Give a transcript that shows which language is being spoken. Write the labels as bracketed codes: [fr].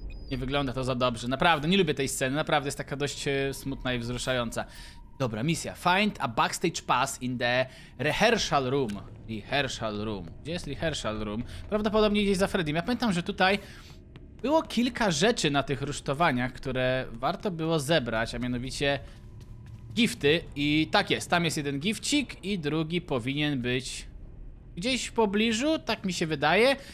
[pl] Nie wygląda to za dobrze. Naprawdę, nie lubię tej sceny. Naprawdę jest taka dość smutna i wzruszająca. Dobra, misja. [en] Find a backstage pass in the rehearsal room. Rehearsal room. [pl] Gdzie jest rehearsal room? Prawdopodobnie gdzieś za Freddy. Ja pamiętam, że tutaj było kilka rzeczy na tych rusztowaniach, które warto było zebrać, a mianowicie gifty. I tak jest, tam jest jeden gifcik i drugi powinien być gdzieś w pobliżu, tak mi się wydaje.